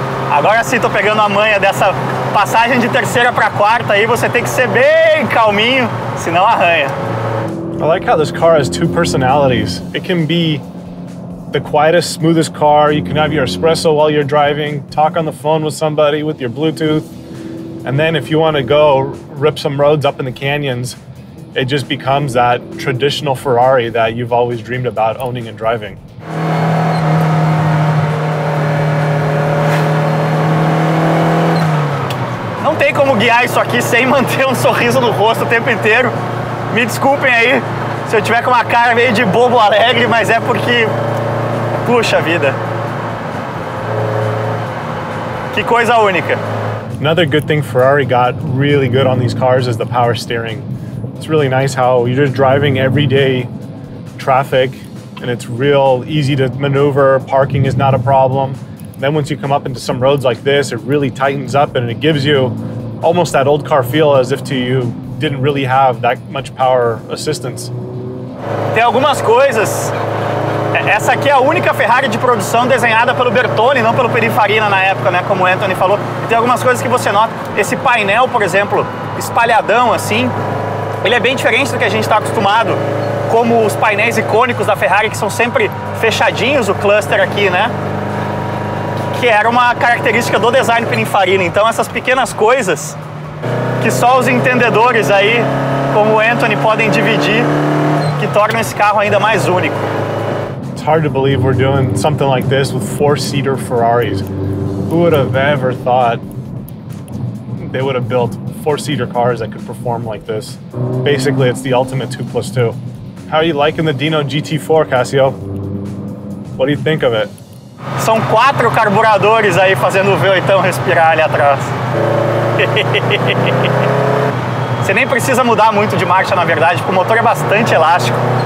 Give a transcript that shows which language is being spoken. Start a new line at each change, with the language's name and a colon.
Portuguese: Agora sim, tô pegando a manha dessa passagem de terceira para quarta aí, você tem que ser bem calminho, senão arranha.
English: I like how this car has two personalities. It can be the quietest, smoothest car. You can have your espresso while you're driving, talk on the phone with somebody with your Bluetooth. And then if you want to go rip some roads up in the canyons, it just becomes that traditional Ferrari that you've always dreamed about owning and driving.
Portuguese: Não tem como guiar isso aqui sem manter um sorriso no rosto o tempo inteiro. Me desculpem aí se eu tiver com uma cara meio de bobo alegre, mas é porque, puxa vida, que coisa única.
English: Another good thing Ferrari got really good on these cars is the power steering. It's really nice how you're just driving everyday traffic and it's real easy to maneuver, parking is not a problem. Then once you come up into some roads like this, it really tightens up and it gives you almost that old car feel as if to you didn't really have that much power assistance.
Portuguese: Tem algumas coisas. Essa aqui é a única Ferrari de produção desenhada pelo Bertone, não pelo Pininfarina na época, né, como o Anthony falou. Tem algumas coisas que você nota. Esse painel, por exemplo, espalhadão assim, ele é bem diferente do que a gente está acostumado, como os painéis icônicos da Ferrari, que são sempre fechadinhos, o cluster aqui, né, que era uma característica do design Pininfarina. Então essas pequenas coisas que só os entendedores aí, como o Anthony, podem dividir, que torna esse carro ainda mais único.
English: It's hard to believe we're doing something like this with four-seater Ferraris. Who would have ever thought they would have built four-seater cars that could perform like this? Basically, it's the ultimate 2+2. How are you liking the Dino GT4, Cassio? What do you think of it?
Portuguese: São quatro carburadores aí fazendo o V8ão respirar ali atrás. Você nem precisa mudar muito de marcha, na verdade, porque o motor é bastante elástico.